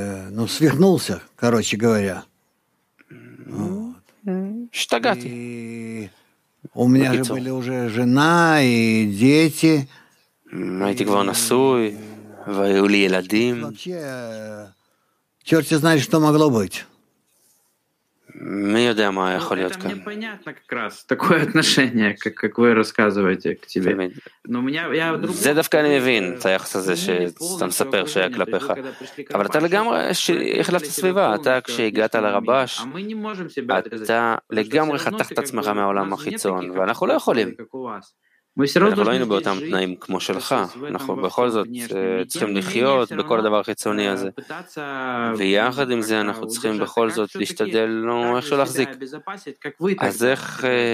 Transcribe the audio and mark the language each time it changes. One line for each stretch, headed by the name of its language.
Russian: Ну, свихнулся, короче говоря.
Hebrew: שתגעתי.
Russian: У меня же были уже жена и дети.
Hebrew: הייתי כבר נשוי, והיו לי ילדים.
Russian: Вообще, черт знает, что могло быть. Мы
Hebrew: יודע מה יכול להיות כאן.
Russian: Это мне понятно как раз, такое отношение, как вы рассказываете к тебе. Но меня, я вдруг...
Hebrew: זה דווקא אני מבין, את היחס הזה שאתה מספר שהיה כלפיך. אבל אתה לגמרי החלפת סביבה, אתה כשהגעת לרבש, אתה לגמרי חתכת עצמך מהעולם החיצון, ואנחנו לא יכולים. אנחנו לא היינו באותם תנאים כמו שלך, אנחנו בכל זאת צריכים לחיות בכל הדבר החיצוני הזה, ויחד עם זה אנחנו צריכים בכל זאת להשתדל לנו איכשהו להחזיק. אז איך...